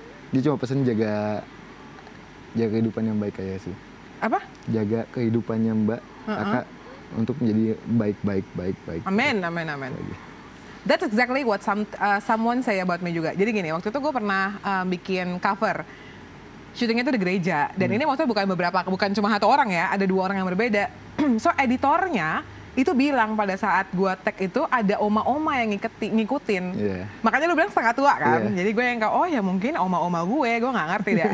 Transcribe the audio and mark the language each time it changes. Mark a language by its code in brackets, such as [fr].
[id] dia cuma pesan jaga... Jaga kehidupan yang baik aja sih. Apa? Jaga kehidupannya Mbak, Kakak, untuk menjadi baik. Amin, amin, amin. [en] That's exactly what someone say about me [id] juga. Jadi gini, waktu itu gue pernah bikin cover. Shootingnya itu di gereja. Dan ini maksudnya bukan beberapa, bukan cuma satu orang ya. Ada dua orang yang berbeda. So, editornya itu bilang pada saat gue tag itu ada oma-oma yang ngikutin. Makanya lu bilang setengah tua kan. Jadi gue yang kayak, oh ya mungkin oma-oma gue gak ngerti deh.